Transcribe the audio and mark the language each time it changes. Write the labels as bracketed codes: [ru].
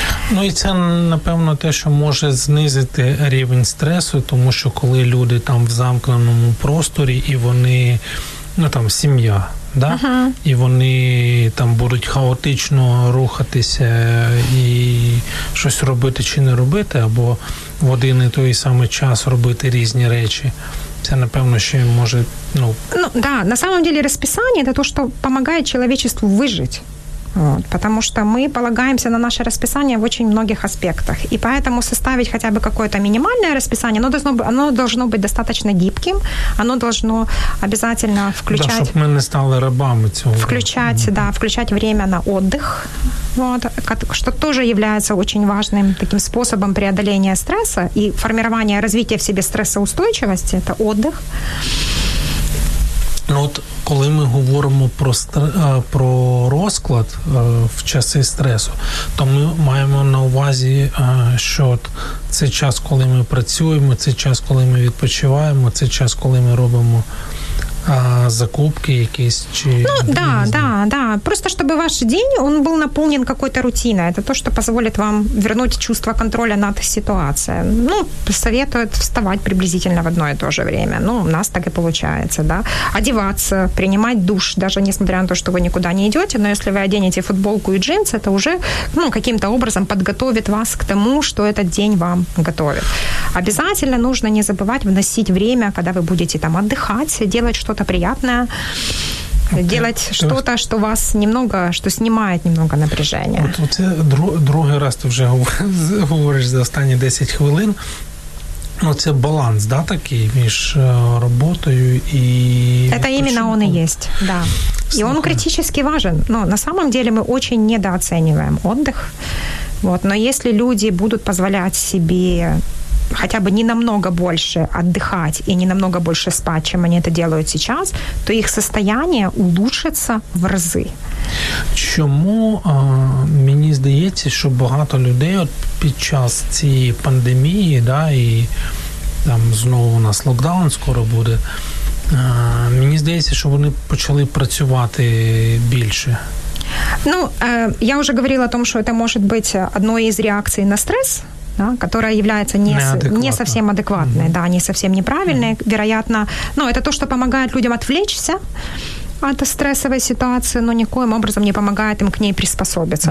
[ru] Ну и это, напевно, то, что может снизить уровень стресса, потому что когда люди там в замкнутом просторе, и они, ну там, семья, да? [uk] І вони там будуть хаотично рухатися і щось робити чи не робити, або в один і той самий час робити різні речі. Це, напевно, ще може... Ну, [ru] ну да, на самом деле расписание – это то, что помогает человечеству выжить. Вот, потому что мы полагаемся на наше расписание в очень многих аспектах. И поэтому составить хотя бы какое-то минимальное расписание, оно должно быть достаточно гибким, оно должно обязательно включать... Да, чтобы мы не стали рабами [uk] цього. [ru] Включать, да, включать время на отдых, вот, что тоже является очень важным таким способом преодоления стресса и формирования, развития в себе стрессоустойчивости, это отдых. [uk] Ну от коли ми говоримо про розклад в часи стресу, то ми маємо на увазі, що от це час, коли ми працюємо, це час, коли ми відпочиваємо, це час, коли ми робимо закупки якісь чи... [ru] Ну, да, да, да. Просто, чтобы ваш день, он был наполнен какой-то рутиной. Это то, что позволит вам вернуть чувство контроля над ситуацией. Ну, советуют вставать приблизительно в одно и то же время. Ну, у нас так и получается, да. Одеваться, принимать душ, даже несмотря на то, что вы никуда не идете. Но если вы оденете футболку и джинсы, это уже, ну, каким-то образом подготовит вас к тому, что этот день вам готовит. Обязательно нужно не забывать вносить время, когда вы будете там отдыхать, делать что-то приятное, делать что-то, что вас немного, что снимает немного напряжение. [uk] Вот це другий раз ти вже говориш за останні 10 хвилин. Ну, це баланс, да, такий між роботою і... [ru] Это именно он и есть, да. И он критически важен. Но на самом деле мы очень недооцениваем отдых. Вот. Но если люди будут позволять себе хотя бы не намного больше отдыхать и не намного больше спать, чем они это делают сейчас, то их состояние улучшится в разы. [uk] Чому мені здається, що багато людей от під час цієї пандемії, да, і там знову у нас локдаун скоро буде, мені здається, що вони почали працювати більше. [ru] Ну, я уже говорила о том, что это может быть одной из реакций на стресс, да, которая является не совсем адекватной, mm-hmm. да, не совсем неправильной, mm-hmm. вероятно. Но это то, что помогает людям отвлечься от стрессовой ситуации, но никоим образом не помогает им к ней приспособиться.